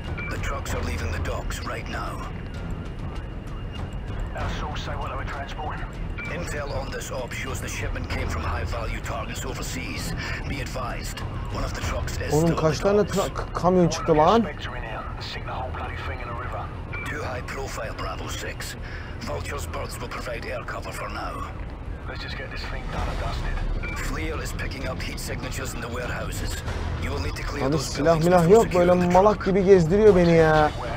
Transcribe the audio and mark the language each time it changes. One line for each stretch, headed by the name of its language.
English: The trucks are leaving the docks right now. Our source say what they were transporting. Intel on this op shows the shipment came from high value targets overseas. Be advised, one of the trucks is.
Turkish: Onun kaç tane kamyon çıktı lan?
English: Too high profile Bravo 6. Vulture's birds will provide air cover for now. Let's just get this thing done and dusted. Fleer is picking up heat signatures in the warehouses. You will need to clear those buildings.
Turkish: Silah milah yok, böyle malak gibi gezdiriyor beni ya.